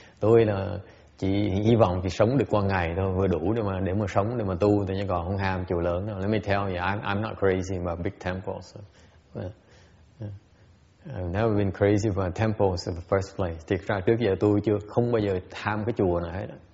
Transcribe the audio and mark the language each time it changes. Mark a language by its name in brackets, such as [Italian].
[Vietnamese] Tôi là chỉ hy vọng chỉ sống được qua ngày thôi, vừa đủ để mà sống, để mà tu. Tôi nhớ còn không ham chùa lớn đâu. [English] Let me tell you, I'm not crazy about big temples. So. I've never been crazy about temples in the first place. [Vietnamese] Thực ra trước giờ tôi chưa không bao giờ tham cái chùa nào hết.